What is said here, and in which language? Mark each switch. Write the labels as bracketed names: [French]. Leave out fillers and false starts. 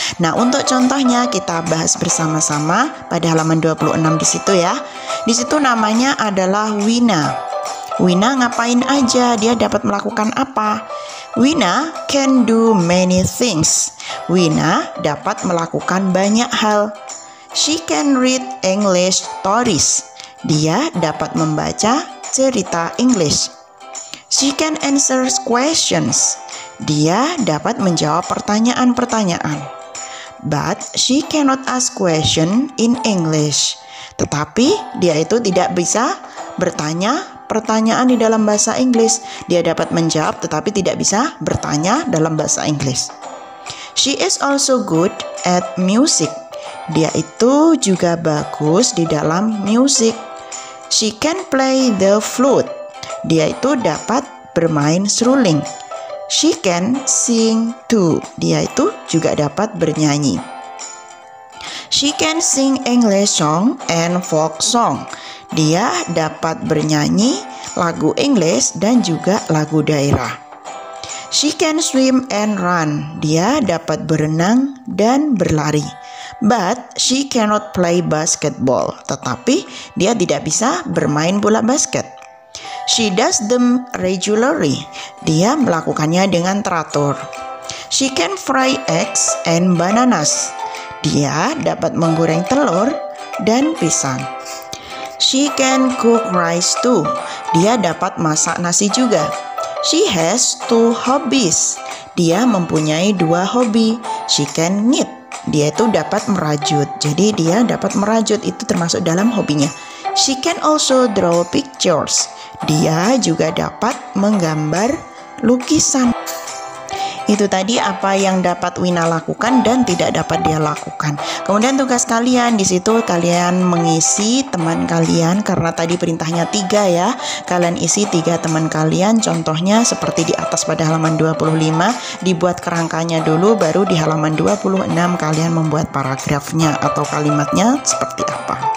[Indonesian] Nah, untuk contohnya kita bahas bersama-sama pada halaman 26 di situ ya. Di situ namanya adalah Wina. Wina ngapain aja? Dia dapat melakukan apa? [English] Wina can do many things. [Indonesian] Wina dapat melakukan banyak hal. [English] She can read English stories. [Indonesian] Dia dapat membaca cerita English. [English] She can answer questions. [Indonesian] Dia dapat menjawab pertanyaan-pertanyaan. [English] But she cannot ask question in English. [Indonesian] Tetapi dia itu tidak bisa bertanya pertanyaan di dalam bahasa Inggris. Dia dapat menjawab tetapi tidak bisa bertanya dalam bahasa Inggris. [English] She is also good at music. [Indonesian] Dia itu juga bagus di dalam music. [English] She can play the flute. [Indonesian] Dia itu dapat bermain seruling. [English] She can sing too. [Indonesian] Dia itu juga dapat bernyanyi. [English] She can sing English song and folk song. [Indonesian] Dia dapat bernyanyi lagu Inggris dan juga lagu daerah. [English] She can swim and run. [Indonesian] Dia dapat berenang dan berlari. [English] But she cannot play basketball. [Indonesian] Tetapi dia tidak bisa bermain bola basket. [English] She does them regularly. [Indonesian] Dia melakukannya dengan teratur. [English] She can fry eggs and bananas. [Indonesian] Dia dapat menggoreng telur dan pisang. [English] She can cook rice too. [Indonesian] Dia dapat masak nasi juga. [English] She has two hobbies. [Indonesian] Dia mempunyai dua hobi. [English] She can knit. [Indonesian] Dia itu dapat merajut. Jadi dia dapat merajut itu termasuk dalam hobinya. She can also draw pictures. Dia juga dapat menggambar lukisan. Itu tadi apa yang dapat Wina lakukan dan tidak dapat dia lakukan. Kemudian tugas kalian di situ kalian mengisi teman kalian karena tadi perintahnya 3 ya. Kalian isi 3 teman kalian, contohnya seperti di atas pada halaman 25, dibuat kerangkanya dulu baru di halaman 26 kalian membuat paragrafnya atau kalimatnya seperti apa.